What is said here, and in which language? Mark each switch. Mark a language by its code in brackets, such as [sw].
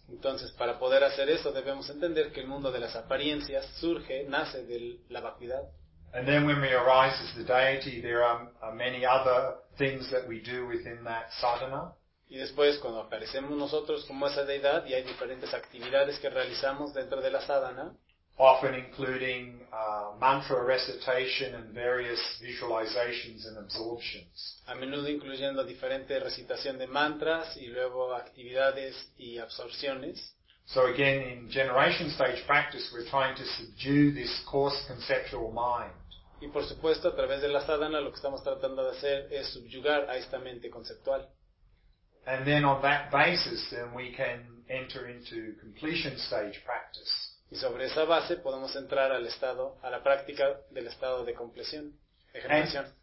[es] Entonces, para poder hacer eso, debemos entender que el mundo de las apariencias surge, nace de la vacuidad. [en] And then when we arise as the deity, there are many other things that we do within that sadhana. [es] Y después, cuando aparecemos nosotros como esa deidad, y hay diferentes actividades que realizamos dentro de la sadhana. [en] Often including mantra recitation and various visualizations and absorptions. [es] A menudo incluyendo diferente recitación de mantras y luego actividades y absorciones. [en] So again, in generation stage practice, we're trying to subdue this coarse conceptual mind. [es] Y por supuesto, a través de la sadhana, lo que estamos tratando de hacer es subyugar a esta mente conceptual. [en] And then on that basis, then we can enter into completion stage practice. [es] Y sobre esa base podemos entrar al estado, a la práctica del estado de completión, de generación.